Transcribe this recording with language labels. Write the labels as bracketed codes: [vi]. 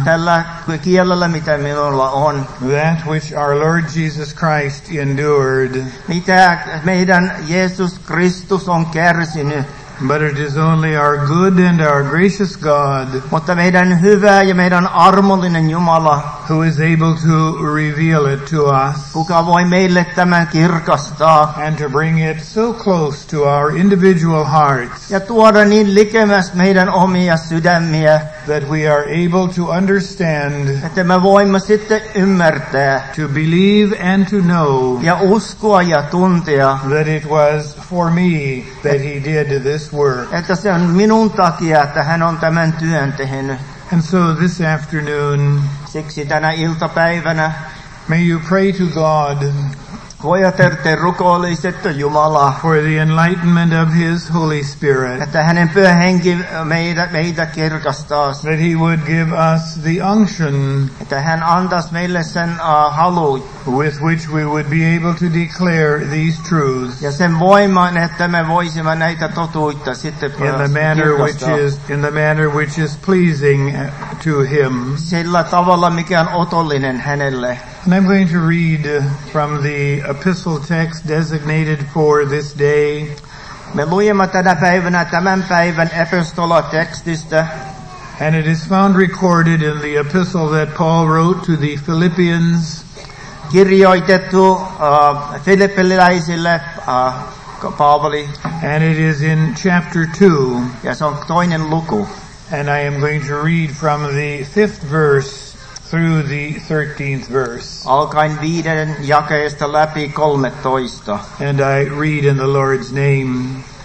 [fi] Tällä kielellä mitä minulla on. [en] That which our Lord Jesus Christ endured. [fi] Mitä meidän Jeesus Kristus on kärsinyt. [en] But it is only our good and our gracious God. [fi] Mutta meidän hyvä ja meidän armollinen Jumala. [en] Who is able to reveal it to us. [fi] Kuka voi meille tämän kirkastaa. [en] And to bring it so close to our individual hearts. [fi] Ja tuoda niin likemmäs meidän omia sydämiä. [en] That we are able to understand. [fi] Että me voimme sitten ymmärtää. [en] To believe and to know. [fi] Ja uskoa ja tuntea. [en] That it was for me that he did this work. [fi] Että se on minun takia, että hän on tämän työn tehnyt. [en] And so this afternoon. [fi] Siksi tänä iltapäivänä. [en] May you pray to God. [fi] Voitte rukoilisette Jumala. [en] For the enlightenment of his Holy Spirit. [fi] Että hänen pyhä henki meitä kirkastaisi. [en] That he would give us the unction. [fi] Että hän antaisi meille sen halu. [en] With which we would be able to declare these truths. [fi] Ja sen voiman, että me voisimme näitä totuutta sitten kirkastaa. [en] In the manner which is pleasing to him. [fi] Sillä tavalla, mikä on otollinen hänelle. [en] And I'm going to read from the epistle text designated for this day. [fi] Me luemme tänä päivänä tämän päivän epistola tekstistä. [en] And it is found recorded in the epistle that Paul wrote to the Philippians. [fi] Kirjoitettu filippiläisille Paavali. [en] And it is in chapter 2. [fi] Ja se on toinen luku. [en] And I am going to read from the 5th verse. Through the 13th verse. [fi] Alkaen viiden jakeesta läpi 13. [en] And I read in the Lord's name.